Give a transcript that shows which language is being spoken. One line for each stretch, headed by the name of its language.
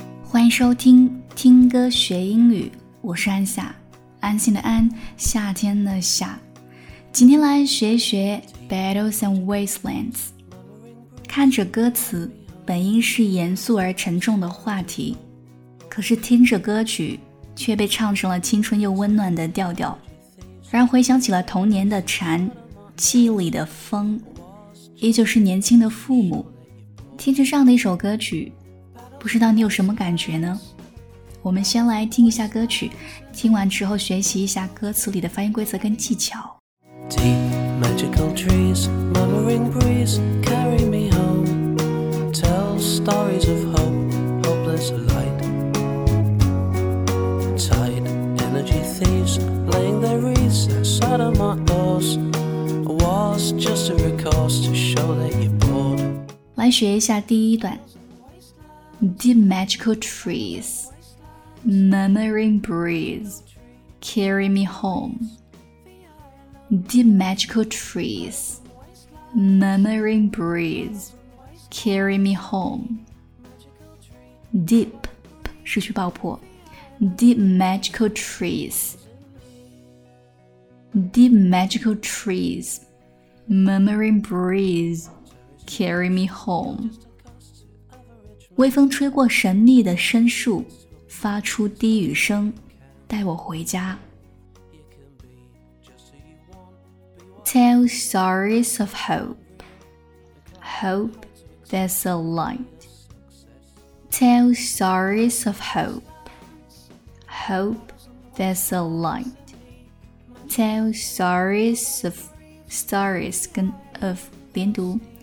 Chinese: 欢迎收听听歌学英语，我是安夏，安心的安，夏天的夏。今天来学学 Battles and Wastelands。看着歌词，本应是严肃而沉重的话题，可是听着歌曲却被唱成了青春又温暖的调调，让回想起了童年的蝉，记忆里的风，依旧是年轻的父母。听着这样的一首歌曲，不知道你有什么感觉呢？我们先来听一下歌曲，听完之后学习一下歌词里的发音规则跟技巧。
English: Deep magical trees, murmuring breeze, carry me home, tell stories of hope, hopeless light. Tight energy thieves, laying their wreaths outside of my doors, was just a recourse to show that you're bored.
Chinese: 来学一下第一段。
English: Deep magical trees, murmuring breeze, carry me home. Deep magical trees, murmuring breeze, carry me home. Deep,
Chinese: 失去爆破。
English: Deep magical trees, deep magical trees, murmuring breeze, carry me home.
Chinese: 微风吹过神秘的深树，发出低语声，带我回家。
English: Tell stories of hope, hope there's a light. Tell stories of hope, hope there's a light. Tell stories of stories 跟 of 连读。